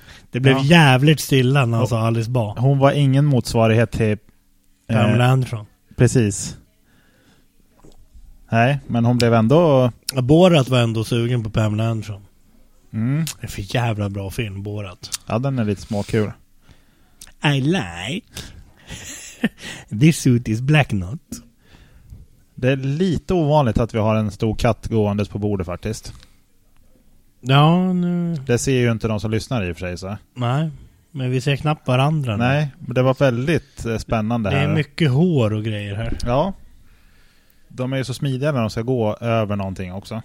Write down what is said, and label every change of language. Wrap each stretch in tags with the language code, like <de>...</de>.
<sv>Det blev jävligt stilla när han sa alldeles bara. Hon var ingen motsvarighet till Pamela Andersson. Precis. Nej, men hon blev ändå... Borat var ändå sugen på Pamela Andersson. Mm. Det är för jävla bra film, Borat. Ja, den är lite småkul.</sv> <en>I like this suit is black not.</en> <sv>Det är lite ovanligt att vi har en stor katt gåendes på bordet faktiskt. Ja, nu... Det ser ju inte de som lyssnar i och för sig så. Nej, men vi ser knappt varandra. Nej, men det var väldigt spännande här. Det är mycket hår och grejer här. Ja, de är ju så smidiga när de ska gå över någonting också.</sv>